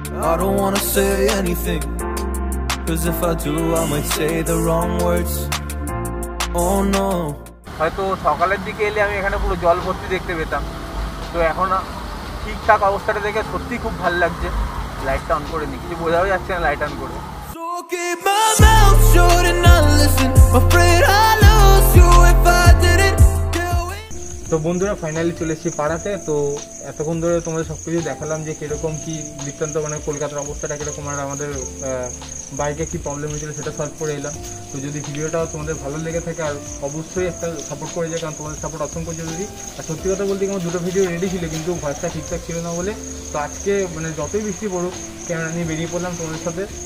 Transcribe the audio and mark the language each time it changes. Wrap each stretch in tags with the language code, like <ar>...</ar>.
<en>I don't wanna say anything, 'cause if I do, I might say the wrong words. Oh no.</en> <bn>হয়তো সকালের দিকে এলে আমি এখানে পুরো জল ভর্তি দেখতে পেতাম। তো এখন ঠিকঠাক অবস্থাটা দেখে সত্যি খুব ভালো লাগছে। লাইটটা অন করে নি, কিছু বোঝাও যাচ্ছে না লাইট অন করে।</bn> <en>So keep my mouth shut and not listen, afraid I'll lose you if I didn't.</en> <bn>তো বন্ধুরা ফাইনালি চলে এসেছি পাড়াতে। তো এতক্ষণ ধরে তোমাদের সব কিছু দেখালাম যে কীরকম কী বৃত্তান্ত, মানে কলকাতার অবস্থাটা কীরকম, আর আমাদের বাইকে কী প্রবলেম হয়েছিলো সেটা সলভ করে এলাম। তো যদি ভিডিওটা তোমাদের ভালো লেগে থাকে আর অবশ্যই একটা সাপোর্ট করে যায়, কারণ তোমাদের সাপোর্ট অসংখ্য জরুরি। আর সত্যি কথা বলতে আমার দুটো ভিডিও রেডি ছিল কিন্তু ভয়েসটা ঠিকঠাক ছিল না বলে, তো আজকে মানে যতই বৃষ্টি পড়ুক ক্যামেরা নিয়ে বেরিয়ে পড়লাম তোমাদের সাথে।</bn>